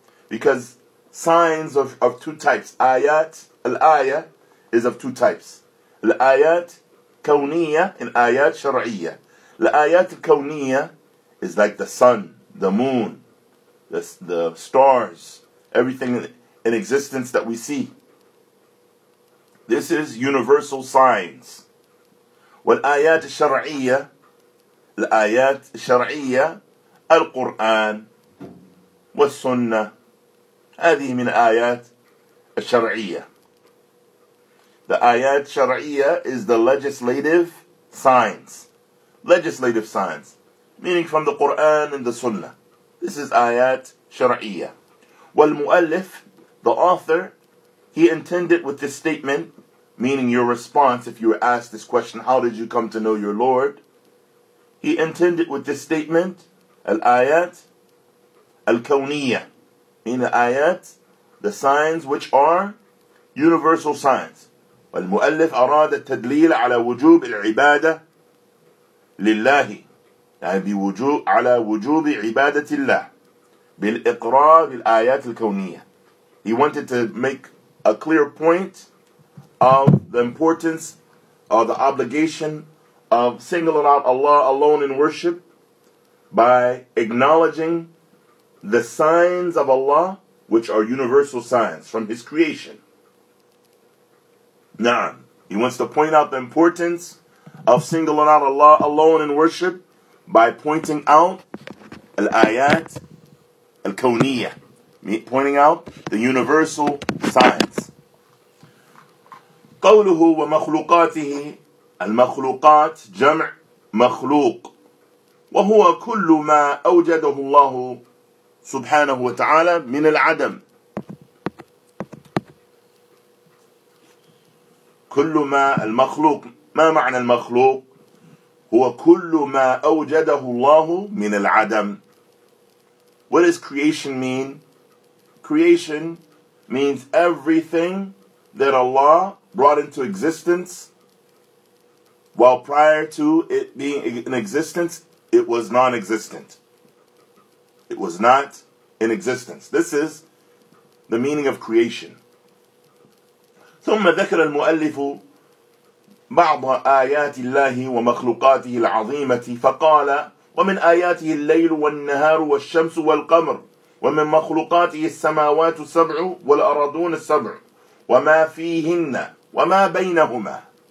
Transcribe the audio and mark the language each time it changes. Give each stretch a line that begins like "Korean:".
English: because signs of two types آيات الآية is of two types الآيات كونية and آيات شرعية الآيات الكونية is like the sun the moon the stars everything in existence that we see. This is universal signs.
Arabic: والآيات الشرعية الآيات الشرعية القرآن والسنة هذه من آيات الشرعية.
English: The آيات الشرعية is the legislative signs. Legislative signs. Meaning from the Qur'an and the Sunnah. This is آيات شرعية. والمؤلف, the author, he intended with this statement, meaning your response if you were asked this question, how did you come to know your Lord? He intended with this statement, الآيات الكونية, in the آيات, the signs which are universal signs.
Arabic: والمؤلف أراد التدليل على وجوب العبادة لله, يعني بوجوب على وجوب عبادة الله. بالإقرار بالآيات الكونية.
English: He wanted to make a clear point of the importance of the obligation of singling out Allah alone in worship by acknowledging the signs of Allah which are universal signs from His creation. Now, he wants to point out the importance of singling out Allah alone in worship by pointing out الآيات الكونية, pointing out the universal signs.
Arabic: قوله ومخلوقاته المخلوقات جمع مخلوق وهو كل ما أوجده الله سبحانه وتعالى من العدم كل ما المخلوق ما معنى المخلوق هو كل ما أوجده الله من العدم.
English: What does creation mean? Creation means everything that Allah brought into existence while prior to it being in existence, it was non-existent. It was not in existence. This is the meaning of creation.
Arabic: ثم ذكر المؤلف بعض آيات الله ومخلوقاته العظيمة فقال ومن آياته الليل والنهار والشمس والقمر ومن مخلوقاته السماوات السبع والأراضون السبع وما فيهن وما بينهما.